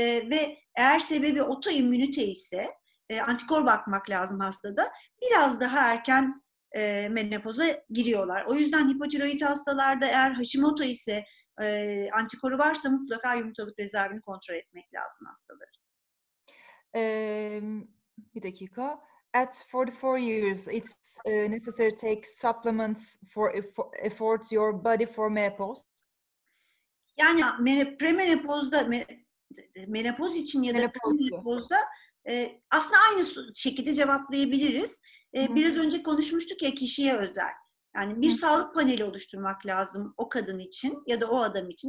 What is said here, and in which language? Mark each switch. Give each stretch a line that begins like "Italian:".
Turkish: Ve eğer sebebi otoimmünite ise antikor bakmak lazım hastada. Biraz daha erken menopoza giriyorlar. O yüzden hipotiroid hastalarda eğer Hashimoto ise antikoru varsa mutlaka yumurtalık rezervini kontrol etmek lazım hastaları. Bir dakika.
English: At 44 years it's necessary to take supplements for effort your body for menopause.
Turkish: Yani premenopozda, menopoz için ya da premenopozda aslında aynı şekilde cevaplayabiliriz. Biraz önce konuşmuştuk ya, kişiye özel. Yani bir sağlık paneli oluşturmak lazım o kadın için ya da o adam için.